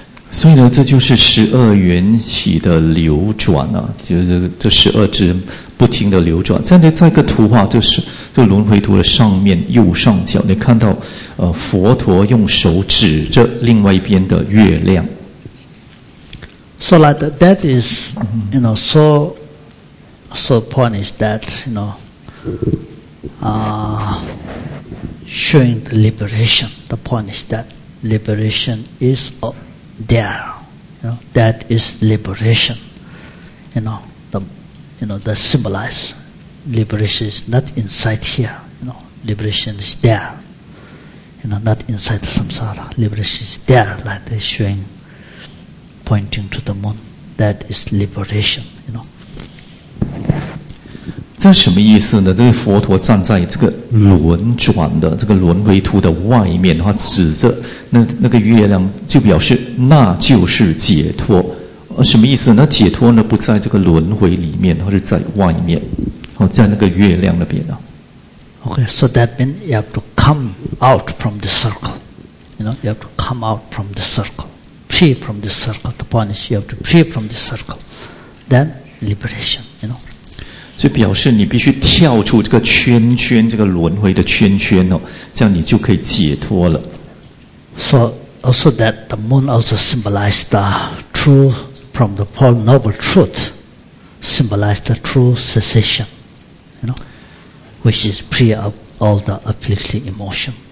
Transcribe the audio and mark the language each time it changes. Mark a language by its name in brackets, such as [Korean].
[Chinese] 所以呢，这就是十二缘起的流转啊，就是这十二支不停的流转。在一个图画，就是这轮回图的上面右上角，你看到佛陀用手指着另外一边的月亮。 [English] So like that, that is, you know, so point is that, you know, showing the liberation, the point is that liberation is up there, you know, that is liberation, the symbolize, liberation is not inside here, you know, liberation is there, you know, not inside samsara, liberation is there, like they're showing,pointing to the moon, that is liberation, you know. [Chinese] 这什么意思呢？这个佛陀站在这个轮转的这个轮回图的外面，他指着那个月亮，就表示那就是解脱。什么意思呢？那解脱呢，不在这个轮回里面，而是在外面，在那个月亮那边啊。 [English] Okay, so that means you have to come out from the circle, you know. You have to come out from the circle. Free from this circle, the point is you have to free from this circle, then liberation, you know. [Chinese] 所以表示你必须跳出这个圈圈，这个轮回的圈圈哦，这样你就可以解脱了。 [English] So also that the moon also symbolized the true from the pure noble truth, symbolized the true cessation, you know, which is free of all the afflicting emotion.